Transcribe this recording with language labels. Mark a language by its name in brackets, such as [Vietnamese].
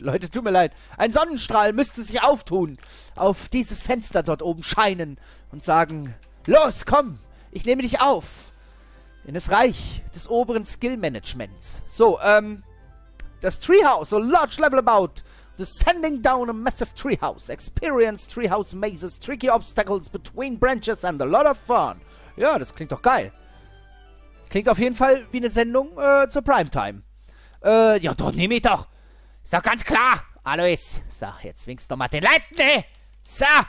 [German] Leute, tut mir leid, ein Sonnenstrahl müsste sich auftun, auf dieses Fenster dort oben scheinen und sagen, los, komm, ich nehme dich auf, in das Reich des oberen Skill-Managements. So, das [English] Treehouse, so large level about. Descending down a massive treehouse. Experience treehouse mazes, tricky obstacles between branches and a lot of fun. [German] Ja, das klingt doch geil. Klingt auf jeden Fall wie eine Sendung zur Primetime. Ja, dort nehme ich doch. Ist doch ganz klar, Alois. So, jetzt winkst du mal den Leuten, ey. So.